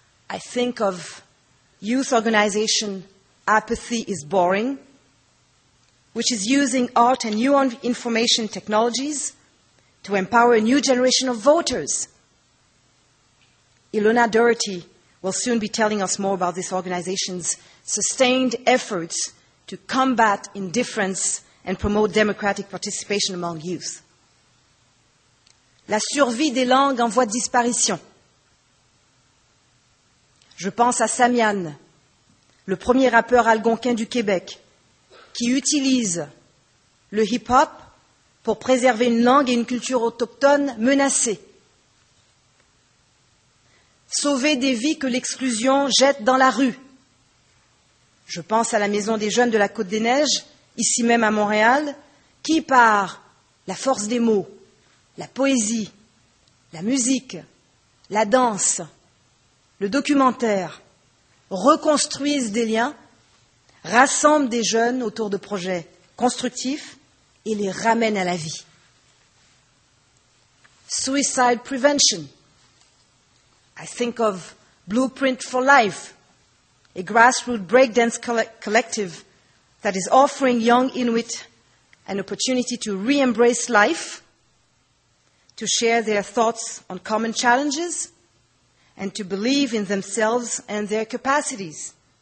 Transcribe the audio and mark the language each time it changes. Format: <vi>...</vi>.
<en>I think of youth organization Apathy is Boring, which is using art and new information technologies to empower a new generation of voters. Ilona Doherty will soon be telling us more about this organization's sustained efforts to combat indifference and promote democratic participation among youth.</en> <fr>La survie des langues en voie de disparition. Je pense à Samian, le premier rappeur algonquin du Québec, qui utilise le hip-hop pour préserver une langue et une culture autochtone menacées. Sauver des vies que l'exclusion jette dans la rue. Je pense à la Maison des jeunes de la Côte-des-Neiges, ici même à Montréal, qui par la force des mots, la poésie, la musique, la danse, le documentaire, reconstruisent des liens, rassemblent des jeunes autour de projets constructifs et les ramènent à la vie.</fr> <en>suicide prevention. I think of Blueprint for Life, a grassroots breakdance collective that is offering young Inuit an opportunity to re-embrace life, to share their thoughts on common challenges, and to believe in themselves and their capacities.</en>